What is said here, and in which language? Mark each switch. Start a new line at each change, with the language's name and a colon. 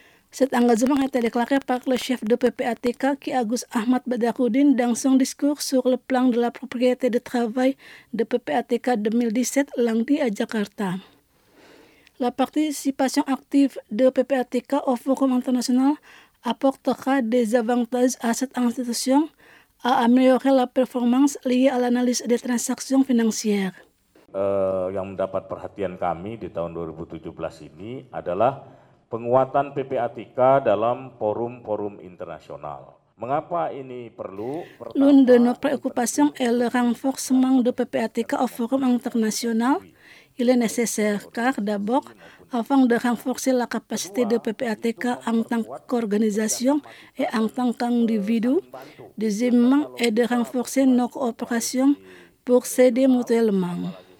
French: Cet engagement a été déclaré par le chef de PPATK, Ki Agus Ahmad Badahuddin, dans son discours sur le plan de la propriété de travail de PPATK 2017, lundi à Jakarta. La participation active de PPATK au Forum international apportera des avantages à cette institution à améliorer la performance liée à l'analyse des transactions financières.
Indonesian: Yang mendapat perhatian kami di tahun 2017 ini adalah penguatan PPATK dalam forum-forum internasional. Mengapa ini perlu?
French: L'une de nos préoccupations est le renforcement de PPATK au forum international. Il est nécessaire car d'abord, afin de renforcer la capacité de PPATK en tant qu'organisation et en tant qu'individu, deuxièmement, est de renforcer nos coopérations pour s'aider mutuellement.